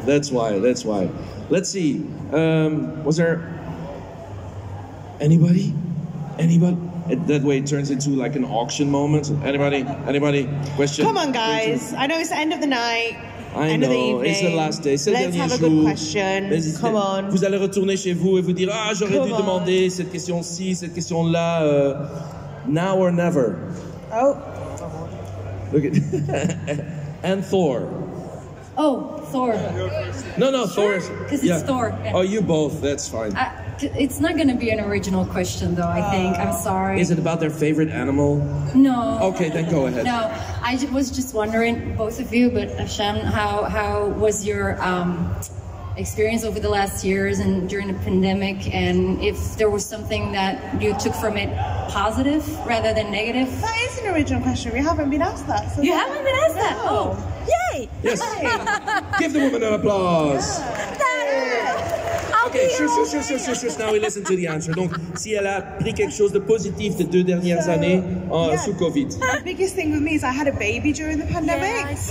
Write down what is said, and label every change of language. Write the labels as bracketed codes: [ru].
[en] That's why. Let's see. Was there anybody? Anybody? That way it turns into like an auction moment. Anybody? Question? Come on, guys. I know it's the end of the night. I end know. Of the evening. It's the last day. Let's have a good question. Come on. [fr] Vous allez retourner chez vous et vous dire, ah, j'aurais dû demander cette question-ci, cette question-là. [en] Now or never. Oh. Look at... And Thor. Oh, Thor. No, sure. Thor. Because it's Thor. Yeah. Oh, you both. That's fine. It's not going to be an original question, though, I think. I'm sorry. Is it about their favorite animal? No. Okay, then go ahead. No, I was just wondering, both of you, but Afshan, how was your experience over the last years and during the pandemic, and if there was something that you took from it positive rather than negative? That is an original question. We haven't been asked that. So you haven't been asked that? No. Oh, yay! Yes. Give the woman an applause. Okay, sure. Now we listen to the answer. [fr] Donc, si elle a pris quelque chose de positif de deux dernières années sous COVID. [en] The biggest thing with me is I had a baby during the pandemic.